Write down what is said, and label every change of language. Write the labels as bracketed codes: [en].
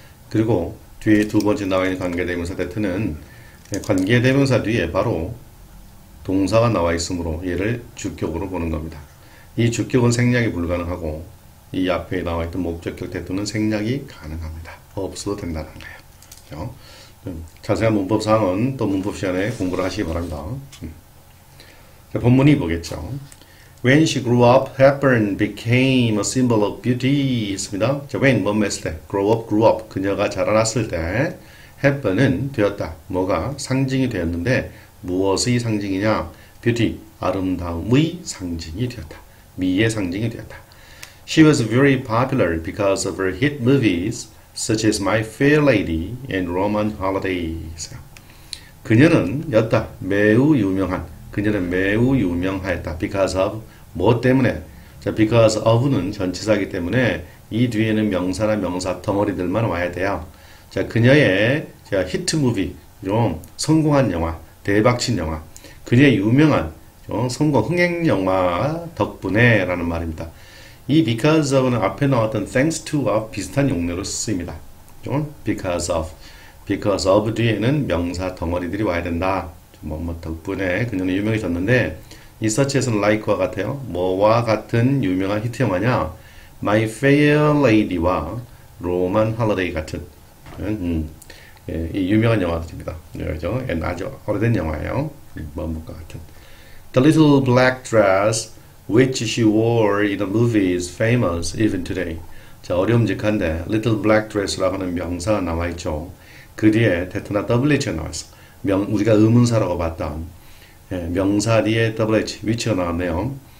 [ko] 그리고 뒤에 두 번째 나와 있는 관계대명사 대트는 관계대명사 뒤에 바로 동사가 나와 있으므로 얘를 주격으로 보는 겁니다. 이 주격은 생략이 불가능하고 이 앞에 나와 있던 목적격 태도는 생략이 가능합니다. 없어도 된다는 거예요. 자세한 문법 사항은 또 문법 시간에 공부를 하시기 바랍니다. 본문이 보겠죠. [en] When she grew up, Hepburn became a symbol of beauty. [ko] 했습니다. 자, when, 뭐 했을 때, [en] grew up, [ko] 그녀가 자라났을 때, Hepburn은 되었다. 뭐가 상징이 되었는데, 무엇의 상징이냐? beauty, 아름다움의 상징이 되었다. 미의 상징이 되었다. [en] She was very popular because of her hit movies such as My Fair Lady and Roman Holiday. [ko] 그녀는 였다. 매우 유명한. 그녀는 매우 유명하였다. [en] Because of, [ko] 뭐 때문에? 자, because of는 전치사이기 때문에 이 뒤에는 명사나 명사 덩어리들만 와야 돼요. 자, 그녀의 자, 히트 무비, 좀 성공한 영화, 대박친 영화, 그녀의 유명한 좀 성공 흥행 영화 덕분에 라는 말입니다. 이 because of는 앞에 나왔던 [en] thanks to [ko] 와 비슷한 용례로 쓰입니다. 좀 because of 뒤에는 명사 덩어리들이 와야 된다. 뭐뭐 덕분에 그녀는 유명해졌는데 이 such as like와 같아요. 뭐와 같은 유명한 히트 영화냐? My Fair Lady와 Roman Holiday 같은 예, 이 유명한 영화들입니다. 그렇죠? 아주 오래된 영화예요. 뭐뭐과 같은 [en] The Little Black Dress which she wore in the movie is famous even today. [ko] 자, 어려움직한데 Little Black Dress라고 하는 명사가 나와있죠. 그 뒤에 대트나 WH가 나와있어. 우리가 의문사라고 봤던 예, 명사 뒤에 WH 위치가 나왔네요.